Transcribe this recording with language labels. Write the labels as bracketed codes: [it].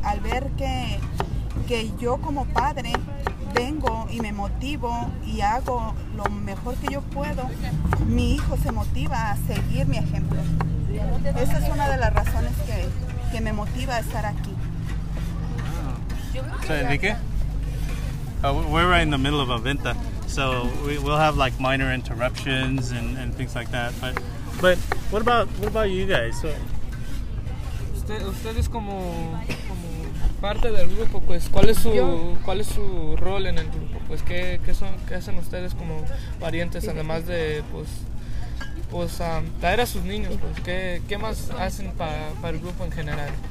[es] Al ver que yo como padre vengo y me motivo y hago lo mejor que yo puedo, mi hijo se motiva a seguir mi ejemplo. Esa es una de las razones que me motiva a estar aquí. Wow. ¿Enrique? [en] We're right in the middle of a venta, so we'll have like minor interruptions and things like that. But what about you guys? So, [es] ustedes como parte del grupo, pues cuál es su rol en el grupo, pues qué hacen ustedes como parientes, además de pues traer a sus niños, pues qué más hacen para el grupo en general.